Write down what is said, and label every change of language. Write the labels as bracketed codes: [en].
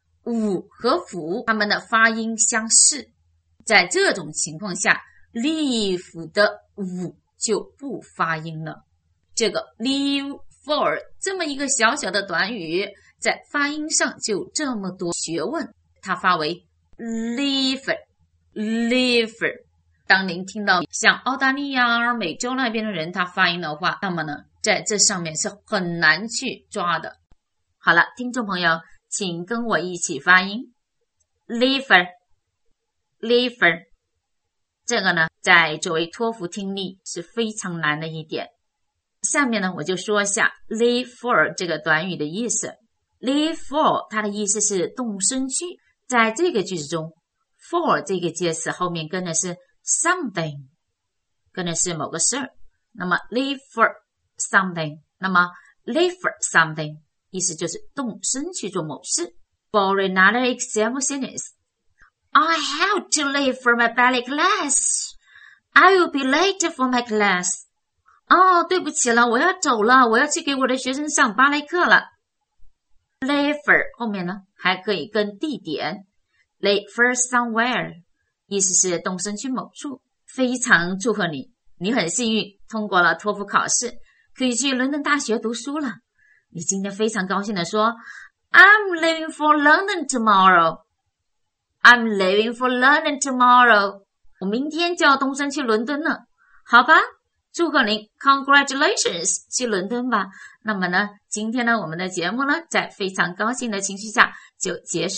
[zh] v 和 f 它们的发音相似，在这种情况下 leave 的 v 就不发音了。这个 leave for 这么一个小小的短语，在发音上就这么多学问。它发为 leave leave。当您听到像澳大利亚、美洲那边的人他发音的话，那么呢，在这上面是很难去抓的。好了，听众朋友，请跟我一起发音 leave leave。这个呢，在作为托福听力是非常难的一点。下面呢，我就说一下 leave for 这个短语的意思。 leave for 它的意思是动身去。在这个句子中， for 这个介词后面跟的是something， 跟的是某个事，那么 leave for something， 那么 leave for something 意思就是动身去做某事。 [en] For another example sentence， I have to leave for my ballet class. I will be late for my class. [zh] 哦，对不起了，我要走了，我要去给我的学生上芭蕾课了。 leave for 后面呢，还可以跟地点 leave for somewhere，意思是动身去某处。非常祝贺你，你很幸运通过了托福考试，可以去伦敦大学读书了。你今天非常高兴地说 I'm leaving for London tomorrow. [en] I'm leaving for London tomorrow. [zh] 我明天就要动身去伦敦了。好吧，祝贺您， Congratulations，去伦敦吧。那么呢，今天呢，我们的节目呢，在非常高兴的情绪下就结束了。非常感谢您的收听，下次再会。